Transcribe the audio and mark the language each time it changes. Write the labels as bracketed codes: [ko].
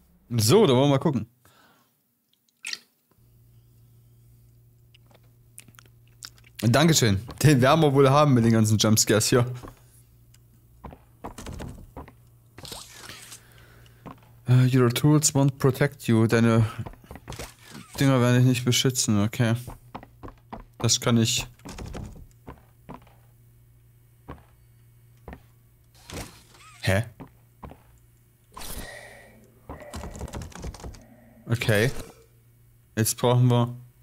[de] So, da wollen wir mal gucken. Dankeschön. Den werden wir wohl haben mit den ganzen Jumpscares hier. [en] Your tools won't protect you. [de] Deine Dinger werden dich nicht beschützen, okay. Das kann ich. Hä? Okay. Jetzt brauchen wir.